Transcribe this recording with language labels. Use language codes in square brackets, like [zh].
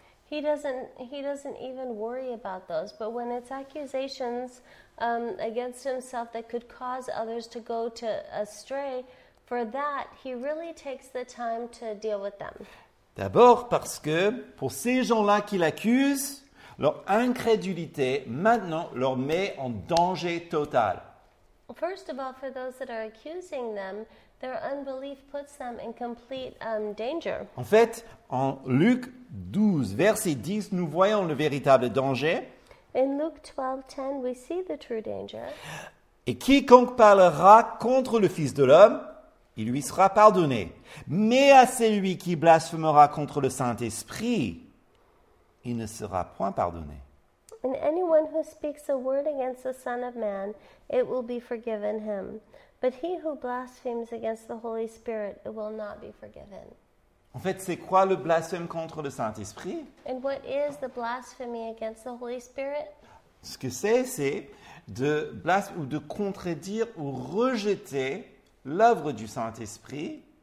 [en] He doesn't even worry about those, but when it's accusations against himself that could cause others to go to astray, for that, he really takes the time to deal with them. [fr] D'abord parce que pour ces gens-là qu'il accuse, leur incrédulité maintenant leur met en danger total. [en] First of all, for those that are accusing them, their unbelief puts them in complete danger. [fr] En fait, en Luc 12, verset 10, nous voyons le véritable danger. [en] In Luke 12, 10, we see the true danger. [fr] Et quiconque parlera contre le Fils de l'homme, il lui sera pardonné. Mais à celui qui blasphémera contre le Saint-Esprit, il ne sera point pardonné. [en] And anyone who speaks a word against the Son of Man, it will be forgiven him. But he who blasphemes against the Holy Spirit, it will not be forgiven. [fr] En fait, c'est quoi le blasphème contre le Saint-Esprit? [en] And what is the blasphemy against the Holy Spirit? [fr] Ce que c'est de blasphémer ou de contredire ou rejeter l'œuvre du Saint-Esprit.